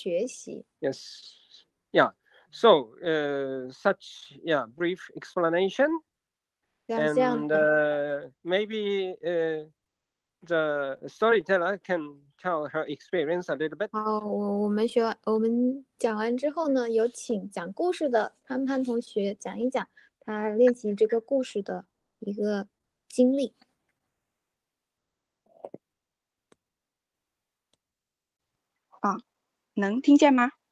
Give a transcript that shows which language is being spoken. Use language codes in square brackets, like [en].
[zh] 这就像是回到的这个山里面的狼学校，就像古希腊神话当中奥林匹亚山，也就是神和天使上帝。他们还在学习。 [en] So, such brief explanation. And maybe the storyteller can tell her experience a little bit. [zh] 我们讲完之后呢，有请讲故事的潘潘同学讲一讲他练习这个故事的一个经历。能听见吗？